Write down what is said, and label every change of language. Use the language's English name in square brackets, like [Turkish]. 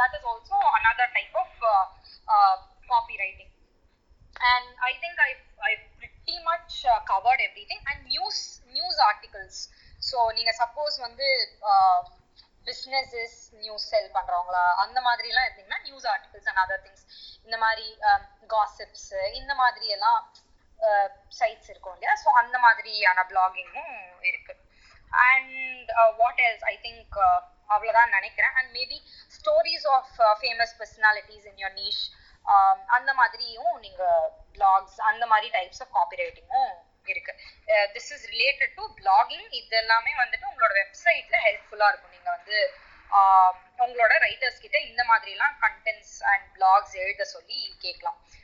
[English] That is also another type of copywriting. And I think I pretty much covered everything. And news articles. [Tamil] So நீங்க suppose வந்து businesses news sell பண்றவங்களா அந்த மாதிரி எல்லாம் இருந்தீங்கன்னா [English] news articles and other things [Tamil] இந்த மாதிரி gossips இந்த மாதிரி எல்லாம் sites இருக்கும் இல்லையா. ஸோ அந்த மாதிரியான blogging-உம் இருக்கு. [English] And what else, I think [Tamil] அவ்வளோதான் நினைக்கிறேன். [English] And maybe stories of famous personalities in your niche. [Tamil] அந்த மாதிரியும் நீங்க பிளாக்ஸ் அந்த மாதிரி டைப்ஸ் ஆஃப் காப்பி ரைட்டிங்கும் இருக்கு. [English] This is related to blogging. [Tamil] இது எல்லாமே வந்துட்டு உங்களோட வெப்சைட்ல ஹெல்ப்ஃபுல்லா இருக்கும். நீங்க வந்து உங்களோட ரைட்டர்ஸ் கிட்ட இந்த மாதிரி எல்லாம் கண்டென்ட்ஸ் அண்ட் பிளாக்ஸ் எழுத சொல்லி கேட்கலாம்.